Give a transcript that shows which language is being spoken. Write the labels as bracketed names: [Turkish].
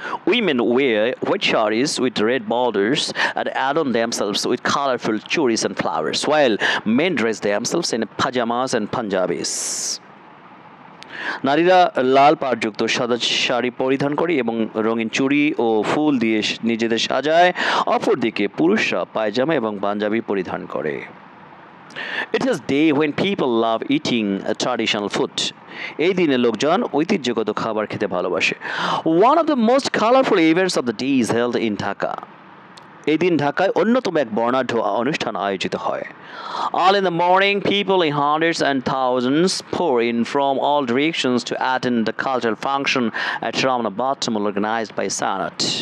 [English] Women wear white saris with red borders and adorn themselves with colourful churis and flowers, while men dress themselves in pyjamas and panjabis. [Bangla] নারীরা লাল পাড়যুক্ত সাদা শাড়ি পরিধান করে এবং রঙিন চুড়ি ও ফুল দিয়ে নিজেদের সাজায়। অপরদিকে পুরুষরা পায়জামা এবং পাঞ্জাবি পরিধান করে। [English] It is a day when people love eating traditional food. [Bangla] এই দিনে লোকজন ঐতিহ্যগত খাবার খেতে ভালোবাসে। [English] One of the most colorful events of the day is held in Dhaka. [Bangla] এই দিন ঢাকায় অন্যতম এক বর্ণাঢ্য অনুষ্ঠান আয়োজিত হয়। [English] All in the morning, people in hundreds and thousands pour in from all directions to attend the cultural function at Ramana Bhattamul organized by Sanat.